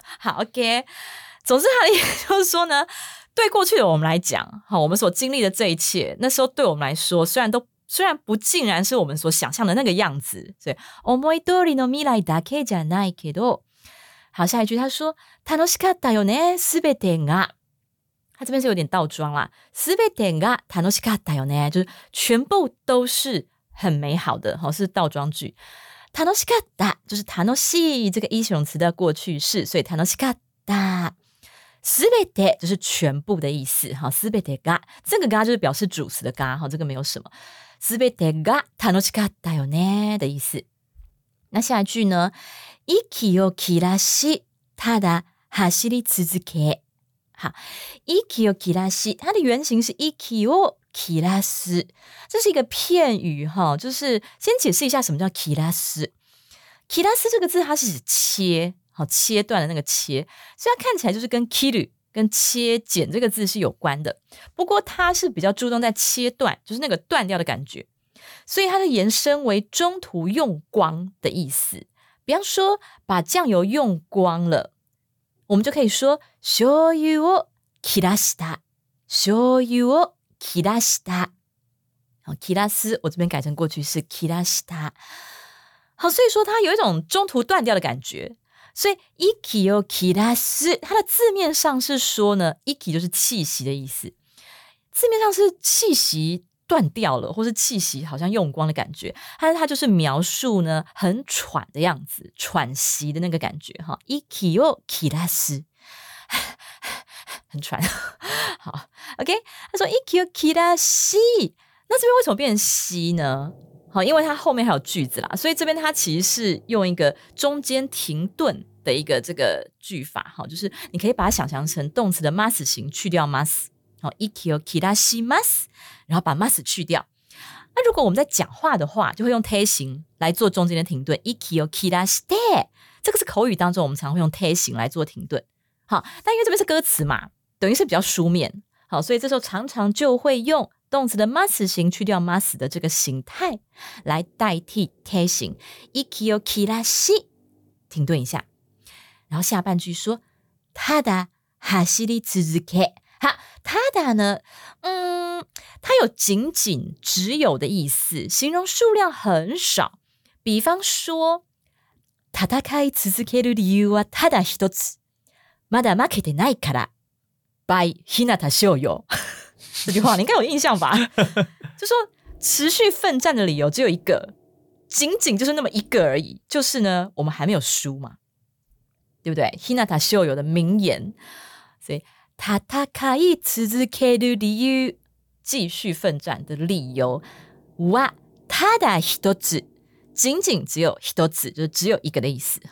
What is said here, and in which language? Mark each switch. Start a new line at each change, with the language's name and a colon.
Chinese: 好 ，OK， 总之他的意思就是说呢，对过去的我们来讲，好，我们所经历的这一切，那时候对我们来说，虽然不竟然是我们所想象的那个样子，所以
Japanese: 思い通りの未来だけじゃないけど，
Chinese: 好，下一句他说
Japanese: 楽しかったよね、すべてが。
Chinese: 他这边是有点倒装啦，
Japanese: すべてが楽しかったよね，
Chinese: 就是全部都是很美好的，好，是倒装句。楽しかった就是楽しい这个一形容词的过去式，所以楽しかった。すべて就是全部的意思，好，すべてが这个が就是表示主词的が，好，这个没有什么。
Japanese: すべてが楽しかったよね的意思。
Chinese: 那下一句呢？
Japanese: 息を切らし、ただ走り続け。
Chinese: 好，息を切らし，它的原型是息を切らす，这是一个片语哈，就是先解释一下什么叫切らす。切らす这个字，它是指切，好，切断的那个切，所以它看起来就是跟切る，跟切剪这个字是有关的。不过它是比较注重在切断，就是那个断掉的感觉，所以它的延伸为中途用光的意思。比方说，把酱油用光了。我们就可以说
Japanese: 醤油を切らした，醤油を切らした。
Chinese: 好，切らす，我这边改成过去式切らした。好，所以说它有一种中途断掉的感觉。所以息を切らす，它的字面上是说呢，息就是气息的意思，字面上是气息断掉了，或是气息好像用光的感觉，但是它就是描述呢很喘的样子，喘息的那个感觉哈。
Japanese: 息を切らす，
Chinese: 很喘。好 ，OK， 他说息を切らし，那这边为什么变成息呢？好，因为它后面还有句子啦，所以这边它其实是用一个中间停顿的一个这个句法哈，就是你可以把它想象成动词的 mass 型去掉 mass。好，
Japanese: 息を切らします，
Chinese: 然后把 mas 去掉。那如果我们在讲话的话，就会用貼形来做中间的停顿。
Japanese: 息を切らして，
Chinese: 这个是口语当中我们常会用貼形来做停顿。好，但因为这边是歌词嘛，等于是比较书面。好，所以这时候常常就会用动词的 mas 形去掉 mas 的这个形态来代替貼形。息を切らし，停顿一下。然后下半句说，
Japanese: ただ走り続け。
Chinese: ただ呢，它有仅仅、只有的意思，形容数量很少。比方说，
Japanese: 戦い続ける理由はただ一つ、まだ負けてないから。
Chinese: By 日向秀夫，这句话你应该有印象吧？就说持续奋战的理由只有一个，仅仅就是那么一个而已，就是呢，我们还没有输嘛，对不对？日向秀夫的名言，所以。戦い続ける理由，继续奋战的理由はただ一つ，仅仅只有一つ，就是只有一个的意思。